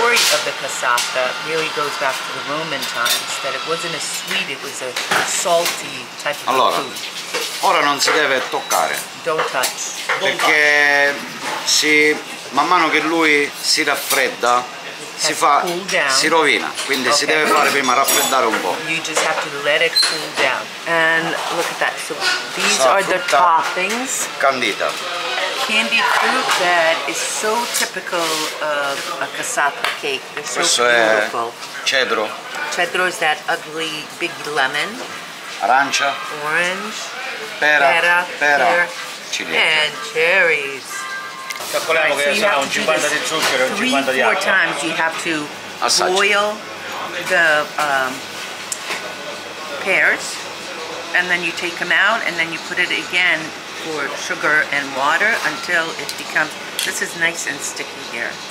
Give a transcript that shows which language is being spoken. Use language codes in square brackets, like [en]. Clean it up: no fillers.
[en] Of the cassata really goes back to the Roman times, that it wasn't a sweet, it was a salty type of [it] allora, [en] food. [it] Allora, ora non si deve toccare. [en] Don't touch. [it] Perché si, man mano che lui si raffredda, si fa, [en] cool down. [it] Si rovina. Quindi okay. Si deve fare prima raffreddare un po'. [en] You just have to let it cool down. And look at that. So these are the toppings. [it] Candita. [en] Candied fruit that is so typical of a cassata cake. It's so beautiful. [it] Cedro. [en] Cedro is that ugly big lemon. [it] Arancia. [en] Orange. [it] Pera. Ciliegia. [en] And cherries. [it] Calcoliamo che sarà un 50 di zucchero e un 50 di acqua. [en] Three, four times you have to boil the pears, and then you take them out, and then you put it again for sugar and water until it becomes, this is nice and sticky here.